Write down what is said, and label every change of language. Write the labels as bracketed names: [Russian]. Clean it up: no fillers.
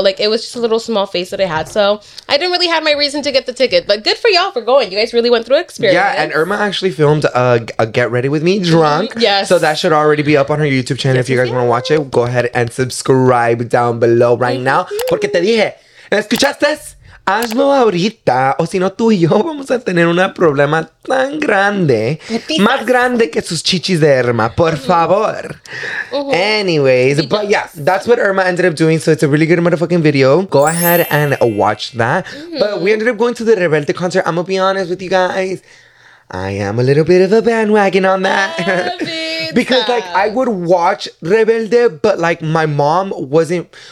[English] Like, it was just a little small face that I had. So I didn't really have my reason to get the ticket, but good for y'all for going. You guys really went through experience. Yeah, and Irma actually filmed a Get Ready With Me drunk. Yes. So that should already be up on her YouTube channel. If you guys want to watch it, go ahead and subscribe down below right now. [Spanish] Porque te dije, ¿escuchaste? Hazlo ahorita, o si no tú y yo vamos a tener un problema tan grande, más grande que sus chichis de Irma, por favor. Uh-huh. [English] Anyways, but yeah, that's what Irma ended up doing, so it's a really good motherfucking video. Go ahead and watch that. Mm-hmm. But we ended up going to the Rebelde concert. I'm gonna be honest with you guys, I am a little bit of a bandwagon on that. Because, like, I would watch Rebelde, but, like, my mom wasn't...